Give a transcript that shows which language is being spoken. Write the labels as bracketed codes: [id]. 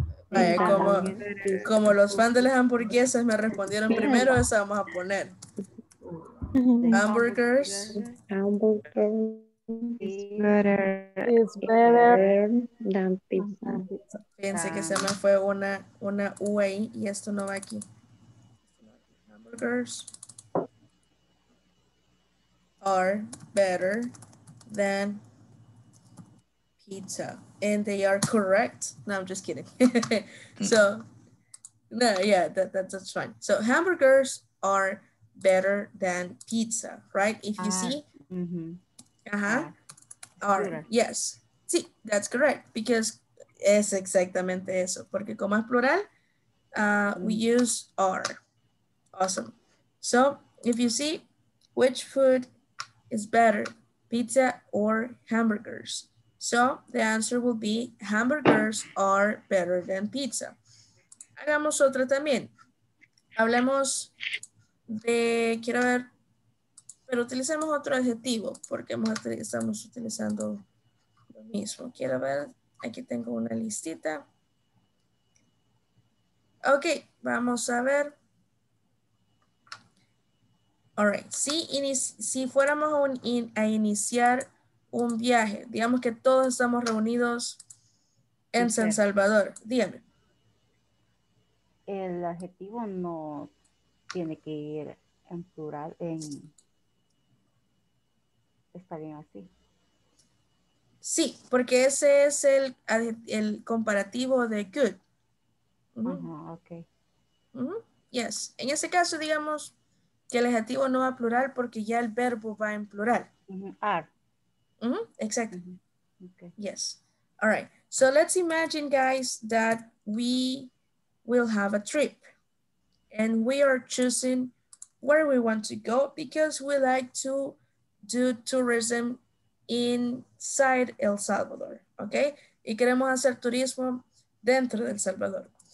[es] Vaya, como los fans de las hamburguesas me respondieron primero, esa vamos a poner. [en] Hamburgers. Hamburgers. It's better than pizza. [es] Fíjense que se me fue una U ahí y esto no va aquí. [en] Hamburgers are better than pizza. And they are correct. No, I'm just kidding. So, No, yeah, that's fine. So hamburgers are better than pizza, right? If you see. Mm-hmm. Uh-huh. Yes. Sí, that's correct. Because [es] es exactamente eso. Porque como es plural, [en] we use are. Awesome. So if you see, which food is better, pizza or hamburgers? So the answer will be hamburgers are better than pizza. [es] Hagamos otra también. Hablemos de, quiero ver, pero utilicemos otro adjetivo porque estamos utilizando lo mismo. Quiero ver, aquí tengo una listita. Ok, vamos a ver. [en] All right, [es] si fuéramos a iniciar un viaje, digamos que todos estamos reunidos en San Salvador, dígame. El adjetivo no tiene que ir en plural, en está bien así. Sí, porque ese es el comparativo de good. Uh-huh, okay. [en] Uh-huh. Yes. [es] En ese caso, digamos que el adjetivo no va a plural porque ya el verbo va en plural. [en] Uh-huh. Are. Uh-huh. Exactly. Uh-huh. Okay. Yes. All right. So let's imagine, guys, that we'll have a trip and we are choosing where we want to go because we like to do tourism inside El Salvador, okay? [es] Y queremos hacer turismo dentro de El Salvador.